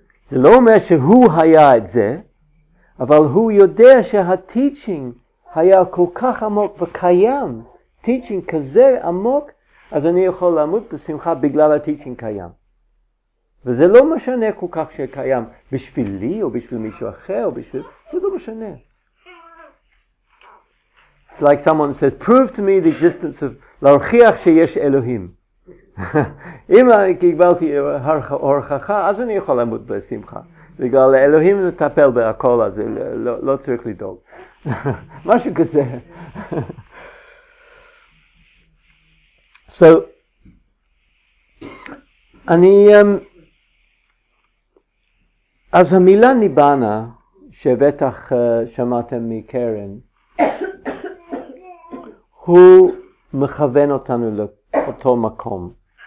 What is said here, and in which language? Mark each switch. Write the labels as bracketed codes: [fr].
[he] זה לא אומר שהוא היה את זה, אבל הוא יודע שה-teaching היה כל כך עמוק וקיים. Teaching כזה עמוק, אז אני יכול למות בשמחה בגלל ה-teaching קיים. וזה לא משנה כל כך שקיים בשבילי או בשביל מישהו אחר, או בשביל... זה לא משנה. [en] It's like someone said, prove to me the existence of... [he] להוכיח שיש אלוהים. אם קיבלתי הוכחה, אז אני יכול למות בשמחה. בגלל אלוהים מטפל בהכל הזה, לא צריך לדאוג. משהו כזה. So, אני, אז המילה ניבנה, שבטח שמעתם מקרן, הוא מכוון אותנו לאותו מקום.